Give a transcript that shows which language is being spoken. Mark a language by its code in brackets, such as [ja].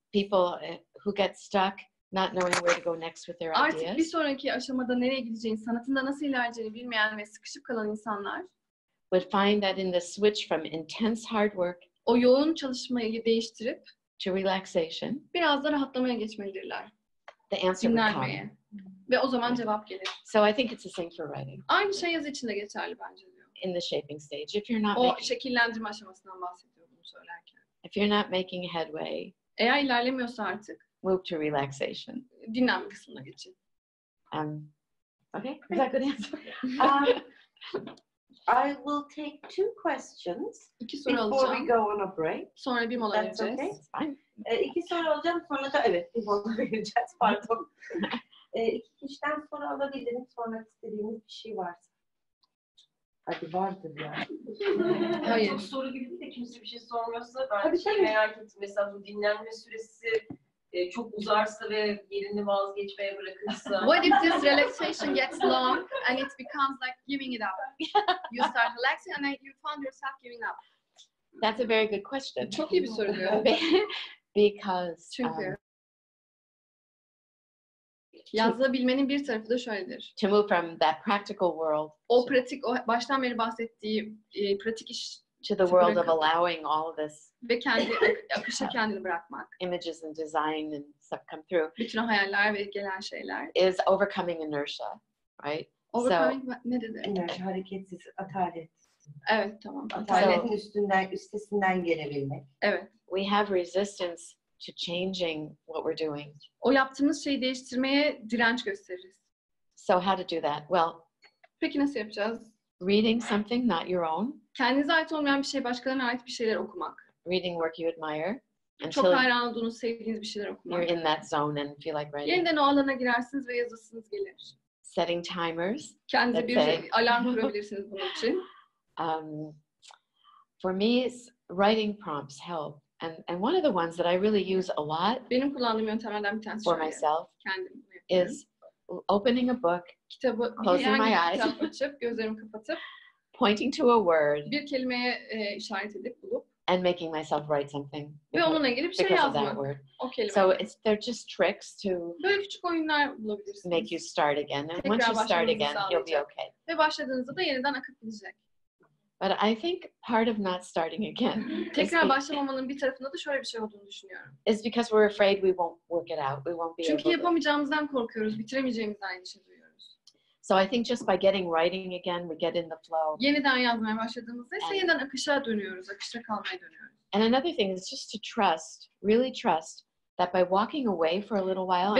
[en] people who get stuck not knowing where to go next with their [tr] artık [en] ideas. [tr] Artık bir sonraki aşamada nereye gideceğini, sanatında nasıl ilerleyeceğini bilmeyen ve sıkışıp kalan insanlar [en] would find that in the switch from intense hard work [tr] o yoğun çalışmayı değiştirip [en] to relaxation [tr] biraz da rahatlamaya geçmelidirler. [en] The answer would come. [tr] Ve o zaman cevap gelir. [en] So I think it's the same for writing. [tr] Aynı şey yazı için de geçerli bence diyor. [en] In the shaping stage. If you're not [tr] o making, şekillendirme aşamasından bahsediyor bunu söylerken. [en] If you're not making headway [tr] eğer ilerlemiyorsa artık [en] move to relaxation. [tr] Dinlenme kısmına geçin. [en] Okay. Is that good answer? I will take two questions [tr] İki soru [en] before [tr] alacağım. [en] We go on a break. [tr] Sonra bir mola [en] That's [tr] vereceğiz. [en] Okay. [tr] İki soru alacağım sonra da evet bir mola vereceğiz. Pardon. İki kişiden soru alabilirim. Sonra istediğiniz bir şey varsa. Hadi vardır ya. Yani. Hayır. Çok soru gibi de kimse bir şey sormuyorsa ben tabii, şey tabii. Merak ettim. Mesela bu dinlenme süresi çok uzarsa ve yerini vazgeçmeye bırakırsa. [en] What if this relaxation gets long and it becomes like giving it up? You start relaxing and then you found yourself giving up. That's a very good question. [tr] Çok iyi bir soru diyor. [en] Because [tr] çünkü yazabilmenin bir tarafı da şöyledir. [en] To move from that practical world. [tr] O pratik, o baştan beri bahsettiği pratik iş. [en] To the world of allowing all of this [tr] ve kendi akışa kendini bırakmak. [en] Images and design and stuff come through. [tr] Bütün o hayaller ve gelen şeyler. [en] Is overcoming inertia, right? Overcoming so, [tr] ne dedi? Inertia, hareketsiz, atalet. Evet, tamam. Ataletin üstünden, üstesinden gelebilmek. Evet. [en] We have resistance to changing what we're doing. [tr] O yaptığımız şeyi değiştirmeye direnç gösteririz. [en] So how to do that? Well, [tr] peki nasıl yapacağız? [en] Reading something not your own. [tr] Kendinize ait olmayan bir şey, başkalarına ait bir şeyler okumak. [en] Reading work you admire. [tr] Çok hayran olduğunuz, sevdiğiniz bir şeyler okumak. [en] You're in that zone and feel like writing. [tr] Yeniden o alana girersiniz ve yazısınız gelir. [en] Setting timers. [tr] Kendinize bir alarm kurabilirsiniz bunun için. [en] For me, writing prompts help. And one of the ones that I really use a lot. [tr] Benim kullandığım yöntemlerden bir tanesi. [en] For myself. [tr] Kendim. [en] Is opening a book. [tr] Kitabı, [en] closing my eyes. [tr] Kitap açıp, gözlerimi kapatıp. [en] Pointing to a word. [tr] Bir kelimeye işaret edip bulup. [en] And making myself write something. [tr] Ve onunla gelip şey yazmak. [en] Because of that word. [tr] O kelime. [en] So it's, they're just tricks to [tr] böyle küçük oyunlar bulabilirsiniz. [en] Make you start again. And tekrar once you start again, you'll be okay. [tr] Ve başladığınızda da yeniden akıp gidecek. [en] But I think part of not starting again. [tr] Tekrar başlamamanın bir tarafında da şöyle bir şey olduğunu düşünüyorum. [en] It's because we're afraid we won't work it out. We won't be [tr] çünkü [en] able [tr] yapamayacağımızdan korkuyoruz. Bitiremeyeceğimizden aynı şey duyuyoruz. [en] So I think just by getting writing again, we get in the flow. [tr] Yeniden yazmaya başladığımızda ise yeniden akışa dönüyoruz, akışta kalmaya dönüyoruz. [en] And another thing is just to trust, really trust, that by walking away for a little while.